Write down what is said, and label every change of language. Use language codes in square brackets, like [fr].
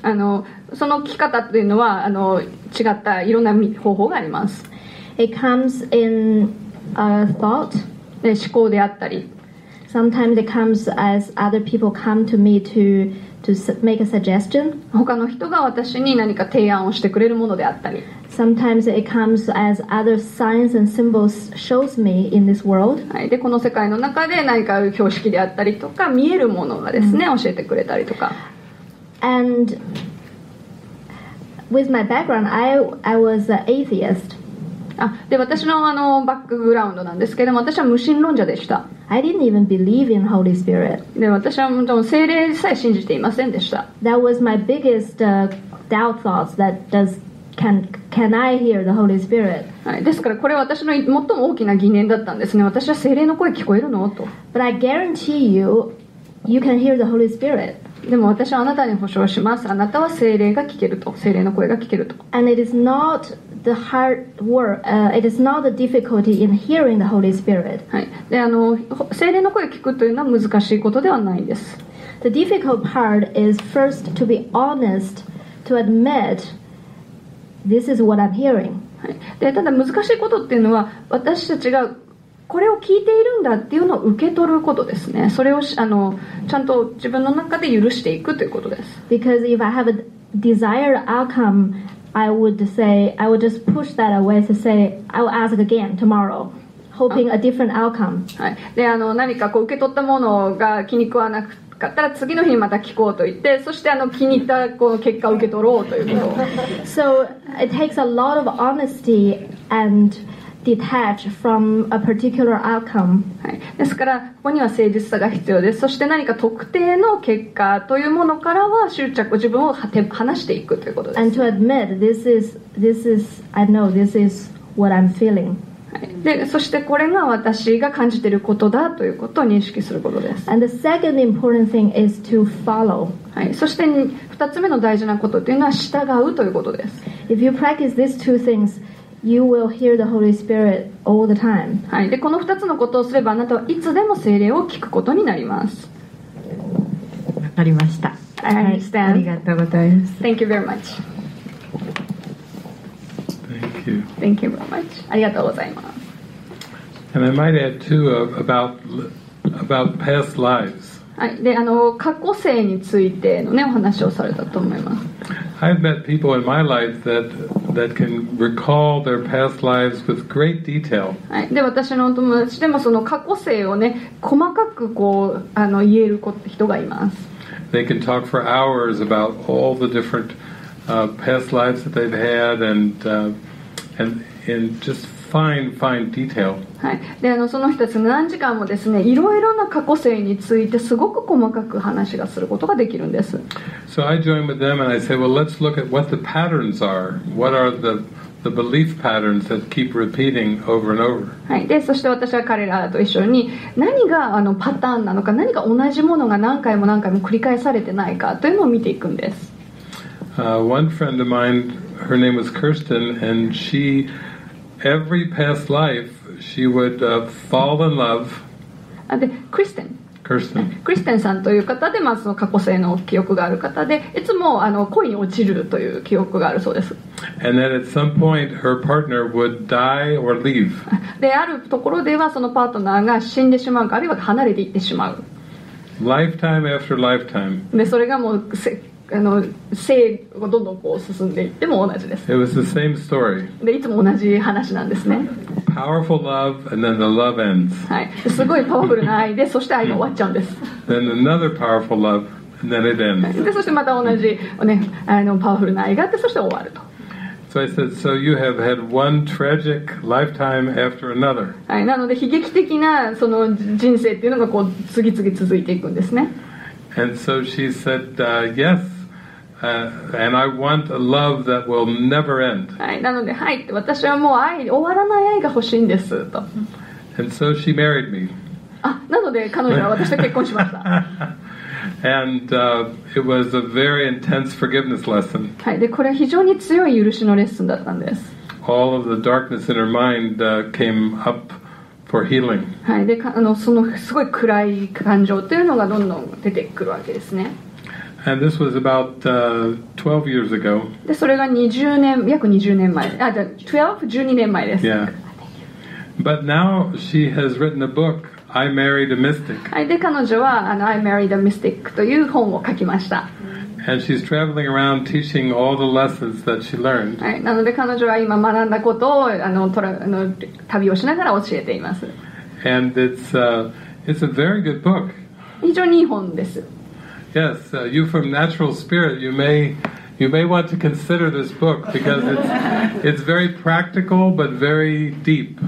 [ja] あの、その聞き方というのは、あの、違ったいろんな方法があります。 [en] It comes in a thought. [ja] 思考であったり。 [en] Sometimes it comes as other people come to me to make a suggestion. [ja] 他の人が私に何か提案をしてくれるものであったり。 [en] Sometimes it comes as other signs and symbols shows me in this world. [ja] はい、で、この世界の中で何か標識であったりとか、見えるものがですね、教えてくれたりとか。 [en] And with my background, I was an atheist. [ja] あ、で、私のあのバックグラウンドなんですけども、私は無神論者でした。 [en] I didn't even believe in Holy Spirit. [ja] で、私はもう聖霊さえ信じていませんでした。 [en] That was my biggest doubt thoughts that does. Can I hear the Holy Spirit? [ja] はい、ですからこれは私の最も大きな疑念だったんですね。私は聖霊の声聞こえるのと。 [en] But I guarantee you, you can hear the Holy Spirit. [ja] でも私はあなたに保証します。あなたは聖霊が聞けると、聖霊の声が聞けると。 [en] And it is not the hard work. It is not the difficulty in hearing the Holy Spirit. [ja] はい、で、あの、聖霊の声聞くというのは難しいことではないんです。 [en] The difficult part is first to be honest, to admit. This is what I'm hearing. [ja] で、ただ難しいことっていうのは、私たちがこれを聞いているんだっていうのを受け取ることですね。それをあのちゃんと自分の中で許していくということです。 [en] Because if I have a desired outcome, I would say, I would just push that away to say, I will ask again tomorrow. Hoping a different outcome. [ja] はい、で、あの、何かこう受け取ったものが気に食わなかったら次の日にまた聞こうと言って、そしてあの気に入ったこう結果を受け取ろうということを。 [en] So it takes a lot of honesty and detach from a particular outcome. [ja] はい、ですからここには誠実さが必要です。そして何か特定の結果というものからは執着自分を離していくということです。 [en] And to admit this is I know this is what I'm feeling. [ja] でそしてこれが私が感じていることだということを認識することです。 [en] And the second important thing is to follow. [ja] はい、そして二つ目の大事なことというのは従うということです。 [en] If you practice these two things, you will hear the Holy Spirit all the time. [ja] はい、でこの二つのことをすればあなたはいつでも聖霊を聞くことになります。わかりました。 [en] I understand. [ja] ありがとうございます。 [en] Thank you very much. Thank you very much. [ja] ありがとうございます。 [en] And I might add too about past lives. [ja] はい、で、あの、過去生についてのね、お話をされたと思います。 [en] I've met people in my life that can recall their past lives with great detail. [ja] はい、で、私の友達でもその過去生をね、細かくこう、あの、言える人がいます。 [en] They can talk for hours about all the differentpast lives that they've had and in just fine detail. [ja] はい。で、あの、その人たち何時間もですね、いろいろな過去性についてすごく細かく話がすることができるんです。 [en] So I joined with them and I said, well, let's look at what the patterns are. What are the belief patterns that keep repeating over and over? [ja] はい。で、そして私は彼らと一緒に何があのパターンなのか、何か同じものが何回も何回も繰り返されてないかというのを見ていくんです。 [en] One friend of mine, her name was Kirsten, and she, every past life, she would fall in love. And Kristen. Kirsten. [ja] Kristen さんという方で、まあ、その過去性の記憶がある方で、いつもあの恋に落ちるという記憶があるそうです。 [en] And then at some point, her partner would die or leave. [ja] で、あるところではそのパートナーが死んでしまうか、あるいは離れていってしまう。 [en] Lifetime after lifetime. [ja] で、それがもう、あの性がどんどんこう進んでいっても同じです。 [en] It was the same story. [ja] でいつも同じ話なんですね。 [en] Powerful love and then the love ends. [ja] はい、すごいパワフルな愛でそして愛が終わっちゃうんです。 [en] Then another powerful love and then it ends. [ja] でそしてまた同じねあのパワフルな愛があってそして終わると。 [en] So I said, so you have had one tragic lifetime after another. [ja] はい、なので悲劇的なその人生っていうのがこう次々続いていくんですね。 [en] And so she said, yes, and I want a love that will never end. [ja] はい、なので、はい、私はもう愛、終わらない愛が欲しいんですと。 [en] And so she married me. [ja] あ、なので彼女は私と結婚しました。 [en] And it was a very intense forgiveness lesson. [ja] はい、で、これは非常に強い許しのレッスンだったんです。 [en] All of the darkness in her mind came up for healing. [ja] はい、で、そのすごい暗い感情というのがどんどん出てくるわけですね。 [en] And this was about 12 years ago. [ja] で、それが12年前です。 [en] Yeah. But now she has written a book, I Married a Mystic. [ja] はい、で、彼女は I Married a Mystic という本を書きました。 [en] And she's traveling around teaching all the lessons that she learned. [ja] はい、なので彼女は今学んだことを旅をしながら教えています。 [en] And it's a very good book. [ja] 非常にいい本です。 [en] Yes, you from natural spirit, you may want to consider this book because it's very practical but very deep.